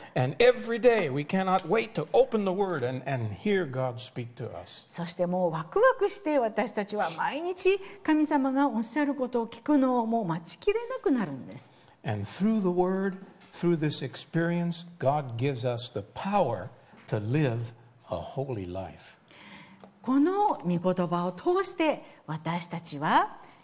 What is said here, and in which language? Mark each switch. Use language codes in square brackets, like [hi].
[en] And every day we cannot wait to open the word and hear God speak to us. [ja] そしてもうワクワクして私たちは毎日神様がおっしゃることを聞くのをもう待ちきれなくなるんです。 [en] And through the word, through this experience, God gives us the power to live a holy life. [ja] この御言葉を通して私たちは、